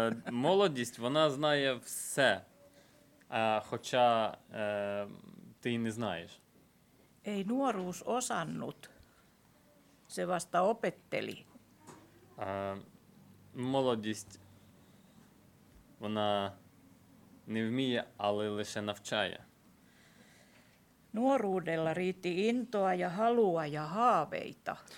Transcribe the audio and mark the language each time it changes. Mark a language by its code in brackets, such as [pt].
[uk] Молодість, вона знає все, хоча ти не знаєш. [fi] Ei nuoruus osannut, se vasta opetteli. [uk] Молодість, вона не вміє, але лише навчає. [fi] Nuoruudella riitti intoa ja halua ja haaveita.